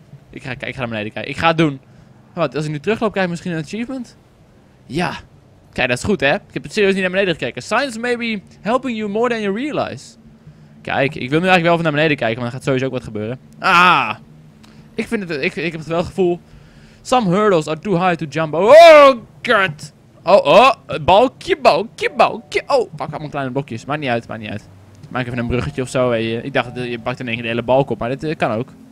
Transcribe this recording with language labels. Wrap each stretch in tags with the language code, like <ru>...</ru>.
<nl>Ik ga naar beneden kijken. Ik ga het doen. Wat, als ik nu terugloop, krijg ik misschien een achievement? Ja. Kijk, dat is goed, hè? Ik heb het serieus niet naar beneden gekeken.</nl> <en>Science may be helping you more than you realize.</en> <nl>Kijk, ik wil nu eigenlijk wel even naar beneden kijken, want er gaat sowieso ook wat gebeuren. Ah! Ik vind het, ik heb het wel gevoel.</nl> <en>Some hurdles are too high to jump.</en> <nl>Oh, god! Oh, oh. Balkje, balkje, balkje. Oh, pak allemaal kleine blokjes. Maakt niet uit, maakt niet uit. Maak even een bruggetje of zo. Ik dacht, je pakt in één keer de hele balk op. Maar dit kan ook.</nl>